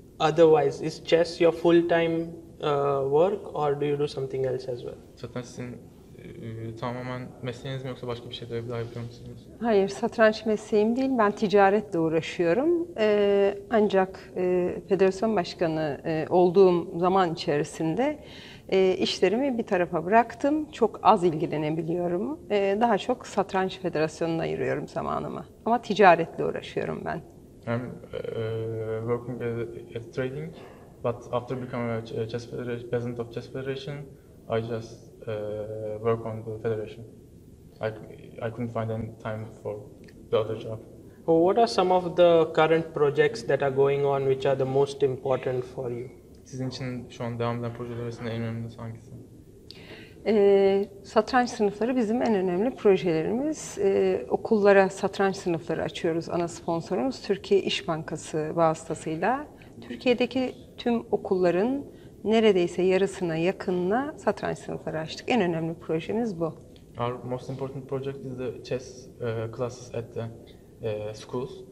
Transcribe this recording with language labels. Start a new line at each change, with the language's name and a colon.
English: Otherwise, is chess your full-time work or do you do something else as well?
Turkish: Satranç sizin tamamen mesleğiniz mi yoksa başka bir şey de daha yapıyor musunuz? Hayır, satranç mesleğim değil. Ben ticaretle uğraşıyorum. Ancak federasyon başkanı olduğum zaman içerisinde işlerimi bir tarafa bıraktım. Çok az ilgilenebiliyorum. Daha çok satranç federasyonuna ayırıyorum zamanımı. Ama ticaretle uğraşıyorum ben.
English: I'm working at trading, but after becoming a chess federation, president of chess federation, I just work on the federation. I couldn't find any time for the other job. Well, what are some of the current projects that are going on, which are the most important for you?
Turkish: Sizin için şu an devam eden projeler arasında en önemli hangisi? Satranç sınıfları bizim en önemli projelerimiz. Okullara satranç sınıfları açıyoruz. Ana sponsorumuz Türkiye İş Bankası vasıtasıyla. Türkiye'deki tüm okulların neredeyse yarısına yakınına satranç sınıfları açtık. En önemli projemiz bu.
English: Our most important project is the chess classes at the schools.